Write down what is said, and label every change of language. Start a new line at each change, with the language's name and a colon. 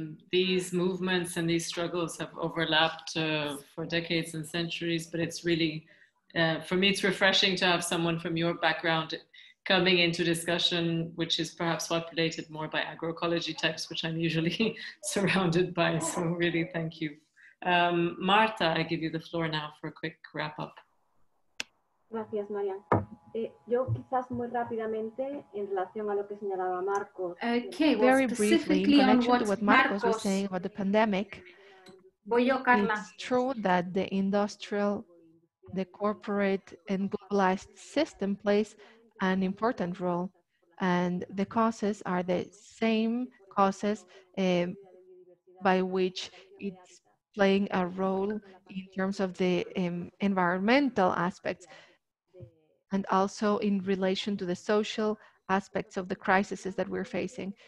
English: These movements and these struggles have overlapped for decades and centuries, but it's really, for me, it's refreshing to have someone from your background coming into discussion, which is perhaps populated more by agroecology types, which I'm usually surrounded by, so really thank you. Marta, I give you the floor now for a quick wrap up.
Spanish: Gracias, María. Yo quizás muy rápidamente en relación a lo que señalaba Marcos.
English: Okay, very briefly in connection to what Marcos was saying about the pandemic.
Spanish: Voy yo, Carla.
English: It's true that the industrial, the corporate and globalized system plays an important role, and the causes are the same causes by which it's playing a role in terms of the environmental aspects, and also in relation to the social aspects of the crises that we're facing.